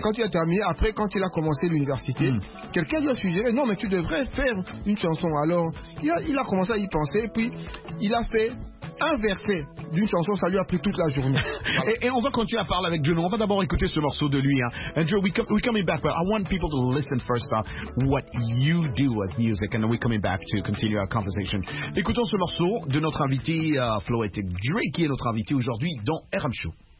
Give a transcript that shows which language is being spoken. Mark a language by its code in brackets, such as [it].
[fr] Quand il a terminé, après, quand il a commencé l'université, quelqu'un lui a suggéré, non, mais tu devrais faire une chanson. Alors, il a commencé à y penser, puis il a fait un verset d'une chanson, ça lui a pris toute la journée. Et on va continuer à parler avec Joe. On va d'abord écouter ce morceau de lui. [en] Hein. And Joe, we're coming back. But I want people to listen first about what you do with music. And then we're coming back to continue our conversation. [fr] Écoutons ce morceau de notre invité, Floetic Drake, qui est notre invité aujourd'hui dans RM Show.